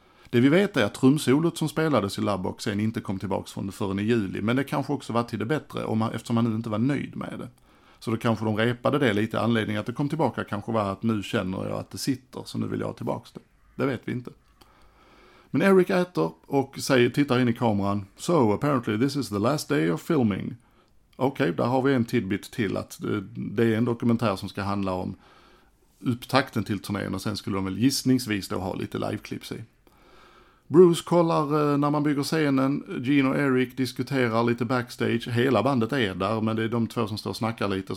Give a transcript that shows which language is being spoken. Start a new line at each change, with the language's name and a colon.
Swedish: Det vi vet är att trumsolot som spelades i Labboxen inte kom tillbaka från det förrän i juli, men det kanske också var till det bättre eftersom han inte var nöjd med det. Så då kanske de repade det lite. Anledningen att det kom tillbaka kanske var att nu känner jag att det sitter, så nu vill jag ha tillbaka det. Det vet vi inte. Men Eric äter och säger, tittar in i kameran.
English: So apparently this is the last day of filming.
Swedish: Okej, där har vi en tidbit till att det är en dokumentär som ska handla om upptakten till turnén. Och sen skulle de väl gissningsvis då ha lite liveklips i. Bruce kollar när man bygger scenen. Gene och Eric diskuterar lite backstage. Hela bandet är där, men det är de två som står och snackar lite.